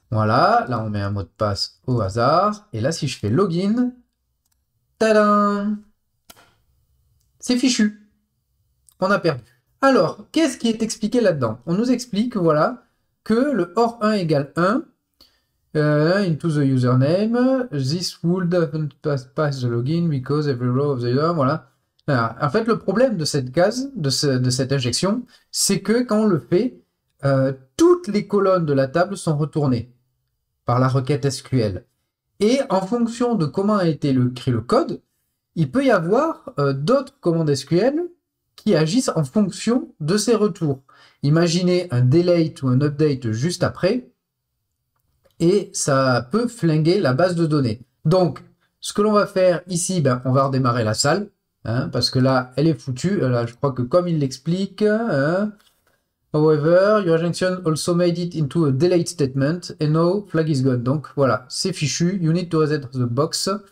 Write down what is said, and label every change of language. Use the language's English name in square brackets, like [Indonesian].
[French] Voilà, là on met un mot de passe au hasard. Et là, si je fais login, tadam! C'est fichu. On a perdu. Alors, qu'est-ce qui est expliqué là-dedans? On nous explique, voilà, que le or 1 égale 1. [English] Into the username, this would pass, pass the login because every row of the year, voilà. [French] Alors, en fait, le problème de cette case, de cette injection, c'est que quand on le fait, toutes les colonnes de la table sont retournées par la requête SQL. Et en fonction de comment a été écrit le code, il peut y avoir d'autres commandes SQL qui agissent en fonction de ces retours. Imaginez un delete ou un update juste après. Et ça peut flinguer la base de données. Donc, ce que l'on va faire ici, ben, on va redémarrer la salle, hein, parce que là, elle est foutue. Là, je crois que comme il l'explique, hein, [English] however, your injection also made it into a delete statement, and now flag is gone. [French] Donc, voilà, c'est fichu. [English] You need to reset the box.